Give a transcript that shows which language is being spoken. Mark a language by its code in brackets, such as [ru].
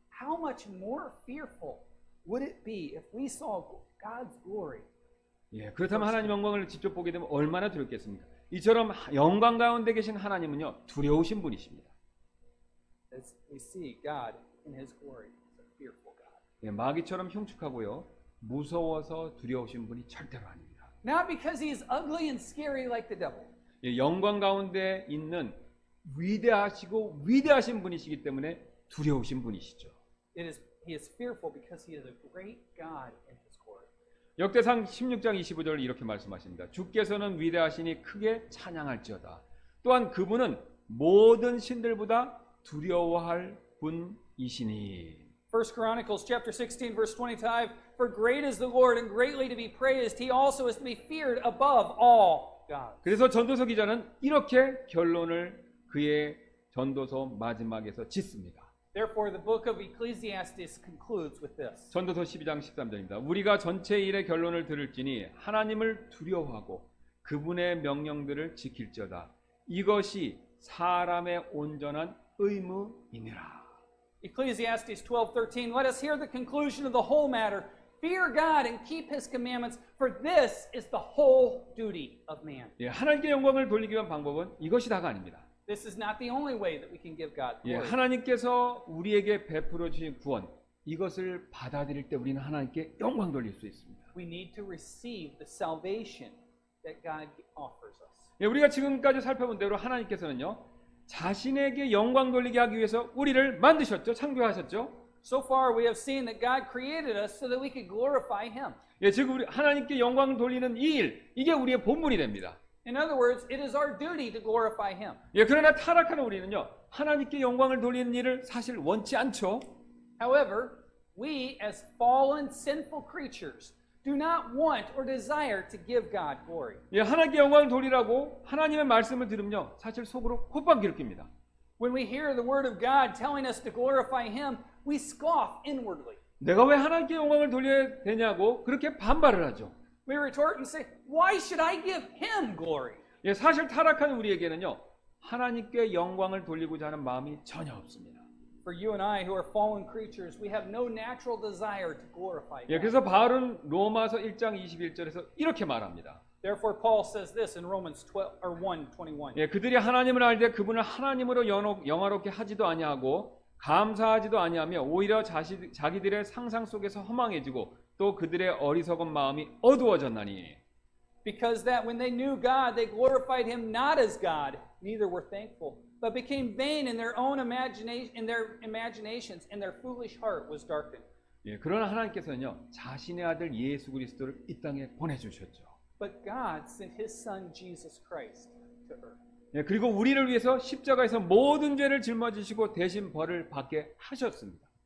[en] How much more fearful would it be if we saw God's glory? [ko] 예, 그렇다면 하나님 영광을 직접 보게 되면 얼마나 두렵겠습니까? 이처럼 영광 가운데 계신 하나님은요, 두려우신 분이십니다. [en] As we see God in his glory, he's a fearful God. [ko] 예, 마귀처럼 흉측하고요, 무서워서 두려우신 분이 절대로 아닙니다. [en] Not because he is ugly and scary like the devil. [ko] 예, 영광 가운데 있는 위대하시고 위대하신 분이시기 때문에 두려우신 분이시죠. [en] It is he is fearful because he is a great God in his glory. [ko] 역대상 16장 25절 이렇게 말씀하십니다. 주께서는 위대하시니 크게 찬양할지어다. 또한 그분은 모든 신들보다 두려워할 분이시니. [en] First Chronicles chapter 16 verse 25. For great is the Lord and greatly to be praised. He also is to be feared above all gods. [ko] 그래서 전도서 기자는 이렇게 결론을 그의 전도서 마지막에서 짓습니다. [en] Therefore the book of Ecclesiastes concludes with this. [ko] 전도서 12장 13절입니다. 우리가 전체 일의 결론을 들을지니 하나님을 두려워하고 그분의 명령들을 지킬지어다. 이것이 사람의 온전한 의무이니라. [en] Ecclesiastes 12:13 Let us hear the conclusion of the whole matter. Fear God and keep His commandments, for this is the whole duty of man. [ko] 예, 하나님께 영광을 돌리기 위한 방법은 이것이 다가 아닙니다. [en] This is not the only way that we can give God glory. [ko] 예, 하나님께서 우리에게 베풀어 주신 구원 이것을 받아들일 때 우리는 하나님께 영광 돌릴 수 있습니다. [en] We need to receive the salvation that God offers us. [ko] 예, 우리가 지금까지 살펴본 대로 하나님께서는요 자신에게 영광 돌리게 하기 위해서 우리를 만드셨죠, 창조하셨죠. [en] So far, we have seen that God created us so that we could glorify Him. [ko] 예, 지금 우리 하나님께 영광 돌리는 이 일, 이게 우리의 본분이 됩니다. [en] In other words, it is our duty to glorify Him. [ko] 예, 그러나 타락한 우리는요, 하나님께 영광을 돌리는 일을 사실 원치 않죠. [en] However, we as fallen, sinful creatures do not want or desire to give God glory. [ko] 예, 하나님께 영광을 돌리라고 하나님의 말씀을 들으면요, 사실 속으로 콧방귀 뀝니다. [en] When we hear the word of God telling us to glorify Him, we scoff inwardly. [ko] 내가 왜 하나님께 영광을 돌려야 되냐고 그렇게 반발을 하죠. [en] We retort and say, "Why should I give Him glory?" [ko] 예, 사실 타락한 우리에게는요, 하나님께 영광을 돌리고자 하는 마음이 전혀 없습니다. [en] For you and I, who are fallen creatures, we have no natural desire to glorify God. [ko] 예, 그래서 바울은 로마서 1장 21절에서 이렇게 말합니다. [en] Therefore, Paul says this in Romans 12 or 1:21. [ko] 예, 그들이 하나님을 알되 그분을 하나님으로 영화롭게 하지도 아니하고 감사하지도 아니하며 오히려 자기들의 상상 속에서 허망해지고 또 그들의 어리석은 마음이 어두워졌나니. [en] Because that when they knew God, they glorified Him not as God, neither were thankful, but became vain in their own imaginations, and their foolish heart was darkened. [ko] 예, 그러나 하나님께서는요 자신의 아들 예수 그리스도를 이 땅에 보내주셨죠. [en] But God sent His Son Jesus Christ to earth. [ko] 예, 그리고 우리를 위해서 십자가에서 모든 죄를 짊어지시고 대신 벌을 받게 하셨습니다.